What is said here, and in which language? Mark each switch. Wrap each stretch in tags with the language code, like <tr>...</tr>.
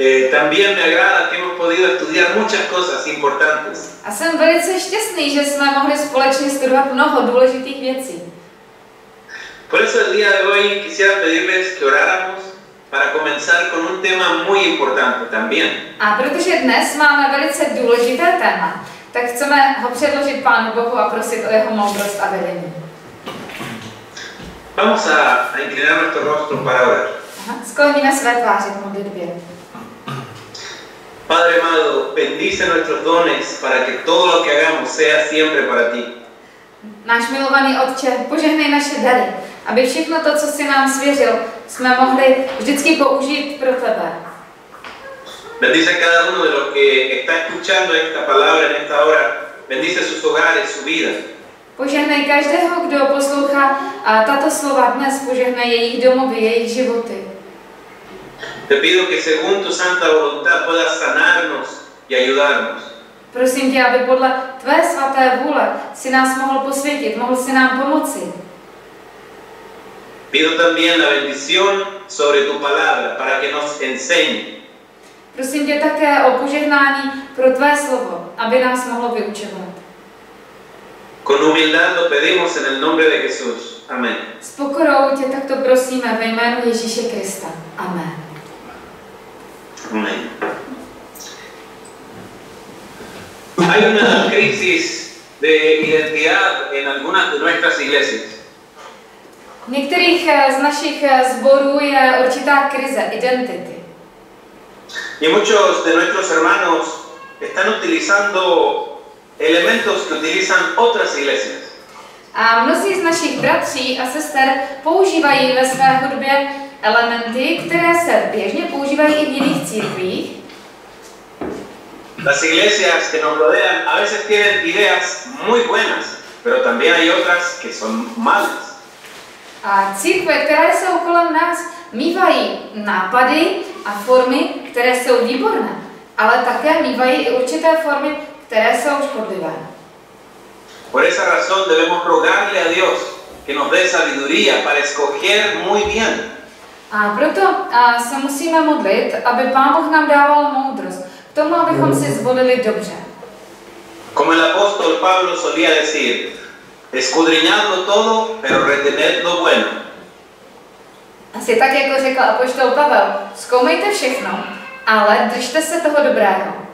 <es>También me agrada que hemos podido estudiar muchas cosas importantes.</es> <cs>A jsem velice šťastný, že jsme mohli společně studovat mnoho důležitých věcí.</cs> <es>Por eso el día de hoy quisiera pedirles que oráramos para comenzar con un tema muy importante también.</es> <cs>A protože dnes máme velice důležité téma, tak chceme ho předložit Pánu Bohu a prosit o jeho moudrost a vedení.</cs> <es>Vamos a inclinar nuestro rostro para orar.</es> <cs>Skloníme své tváře k modlitbě.</cs> <es>Padre amado, bendice nuestros dones para que todo lo que hagamos sea siempre para ti.</es> <cs>Náš milovaný Otče, požehnej naše dary, aby všechno to, co jsi nám svěřil, jsme mohli vždycky použít pro tebe.</cs> <es>Bendice cada uno de los que está escuchando esta palabra en esta hora. Bendice sus hogares, su vida.</es> <cs>Požehnej každého, kdo poslouchá tato slova dnes, požehnej jejich domovy, jejich životy.</cs> <es>Te pido que según tu santa voluntad pueda sanarnos y ayudarnos.</es> <cs>Prosím tě, aby podle tvé svaté vůle si nás mohl posvětit, mohl si nám pomoci.</cs> <es>Pido también la bendición sobre tu palabra para que nos enseñe.</es> <cs>Prosím tě také o požehnání pro tvé slovo, aby nás mohlo vyučovat.</cs> <es>Con humildad lo pedimos en el nombre de Jesús. Amén.</es> <cs>S pokorou tě takto prosíme ve jménu Ježíše Krista. Amen.</cs> <es>Amén. Hay una crisis de identidad en algunas de nuestras iglesias.</es> <cs>V některých z našich sborů je určitá krize identity.</cs> <es>Y muchos de nuestros hermanos están utilizando elementos que utilizan otras iglesias.</es> <cs>A mnozí z našich bratří a sester používají ve své hudbě elementy, které se běžně používají i v jiných církvích.</cs> <es>Las iglesias que nos rodean a veces tienen ideas muy buenas, pero también hay otras que son malas.</es> <cs>A církve, které jsou kolem nás, mívají nápady a formy, které jsou výborné, ale také mívají i určité formy, které jsou škodlivé.</cs> <es>Por esa razón debemos rogarle a Dios que nos dé sabiduría para escoger muy bien.</es> <cs>A proto se musíme modlit, aby Pán Bůh nám dával moudrost k tomu, abychom si zvolili dobře.</cs> <es>Como el apóstol Pablo solía decir, escudriñando todo, pero retener lo bueno.</es> <cs>Asi tak, jako řekl apoštol Pavel, zkoumejte všechno, ale držte se toho dobrého.</cs>